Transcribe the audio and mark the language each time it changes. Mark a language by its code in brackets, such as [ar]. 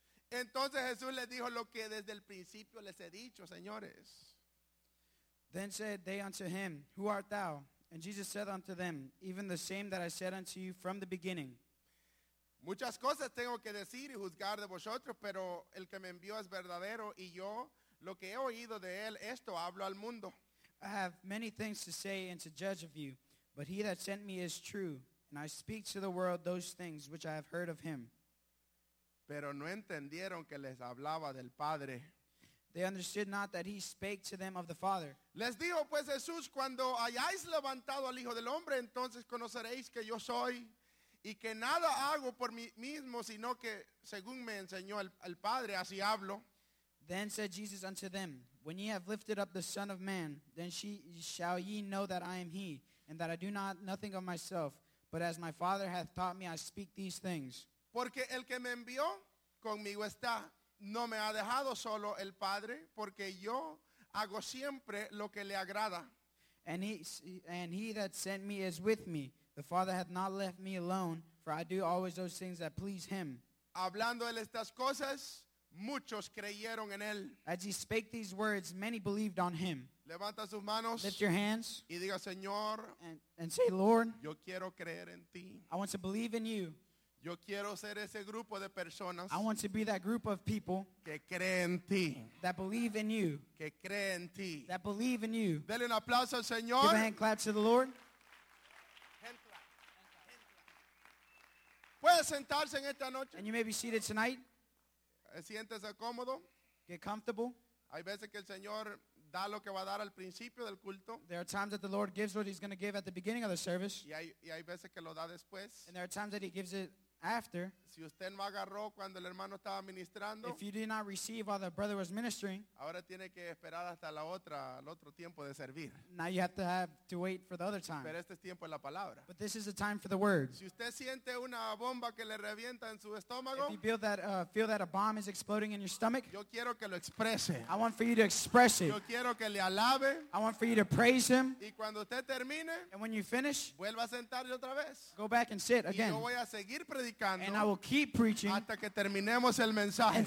[es] Entonces Jesús les dijo lo que desde el principio les he dicho, señores. [en] Then said they unto him, who art thou? And Jesus said unto them, even the same that I said unto you from the beginning. [es] Muchas cosas tengo que decir y juzgar de vosotros, pero el que me envió es verdadero, y yo lo que he oído de él, esto hablo al mundo. [en] I have many things to say and to judge of you, but he that sent me is true, and I speak to the world those things which I have heard of him. [es] Pero no entendieron que les hablaba del Padre. [en] They understood not that he spake to them of the Father. [es] Les dijo pues Jesús, cuando hayáis levantado al Hijo del Hombre, entonces conoceréis que yo soy, y que nada hago por mí mismo, sino que según me enseñó el Padre, así hablo. [en] Then said Jesus unto them, when ye have lifted up the Son of Man, then shall ye know that I am he, and that I do not nothing of myself, but as my Father hath taught me, I speak these things. [es] Porque el que me envió conmigo está. No me ha dejado solo el Padre, porque yo hago siempre lo que le agrada. [en] And he that sent me is with me. The Father hath not left me alone, for I do always those things that please him. [es] Hablando él estas cosas, muchos creyeron en él. [en] As he spake these words, many believed on him. [es] Levanta sus manos. [en] Lift your hands. [es] Y diga, Señor. [en] And say, Lord. [es] Yo quiero creer en ti. [en] I want to believe in you. [es] Yo quiero ser ese grupo de personas. [en] I want to be that group of people. [es] Que cree en ti. [en] That believe in you. [es] Que cree en ti. [en] That believe in you. [es] Dale un aplauso al Señor. [en] Give a hand clap to the Lord. [es] Puede sentarse en esta noche. [en] And you may be seated tonight. [es] Siéntese cómodo. [en] Get comfortable. [es] Hay veces que el Señor da lo que va a dar al principio del culto. [en] There are times that the Lord gives what he's going to give at the beginning of the service. [es] Y hay veces que lo da después. [en] And there are times that he gives it After, [es] si usted no agarró cuando el hermano estaba ministrando, [en] if you did not receive while the brother was ministering, [es] ahora tiene que esperar hasta la otra, el otro tiempo de servir. [en] Now you have to wait for the other time. [es] Pero este es tiempo de la palabra. [en] But this is the time for the word. [es] Si usted siente una bomba que le revienta en su estómago, [en] if you feel that a bomb is exploding in your stomach, [es] yo quiero que lo exprese. [en] I want for you to express it. [es] Yo quiero que le alabe. [en] I want for you to praise him. [es] Y cuando usted termine, [en] and when you finish, [es] vuelva a sentarse otra vez. [en] Go back and sit again. [es] Y yo voy a seguir predicando. [en] And I will keep preaching [es] hasta que terminemos el mensaje.